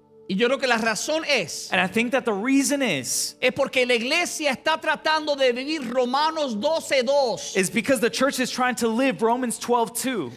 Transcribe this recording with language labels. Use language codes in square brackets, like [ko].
[es] Y yo creo que la razón es, [en] and I think that the reason is, [es] es porque la iglesia está tratando de vivir Romanos 12:2. [en] Is because the church is trying to live Romans 12:2.